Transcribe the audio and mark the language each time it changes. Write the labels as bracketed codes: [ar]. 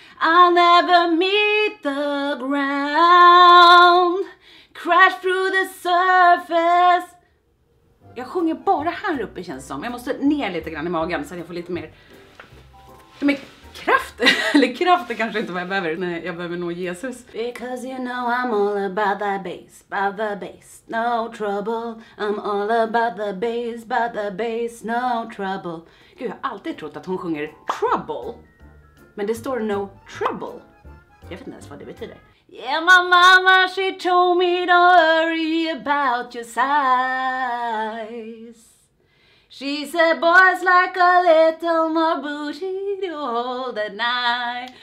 [en] I'll never meet the ground. Crash through the surface. [sv] Jag sjunger bara här uppe känns som. Jag måste ner lite grann i magen så att jag får lite mer kraft. Eller kraft är kanske inte vad jag behöver. Nej, jag behöver nog Jesus. [en] Because you know I'm all about the bass, about the bass, no trouble. I'm all about the bass, no trouble. [sv] Gud, jag har alltid trott att hon sjunger trouble. Men det står [en] no trouble. [sv] Jag vet inte ens vad det betyder. [en] Yeah, my mama, she told me don't worry about your size. She said, boys like a little more booty to hold the night.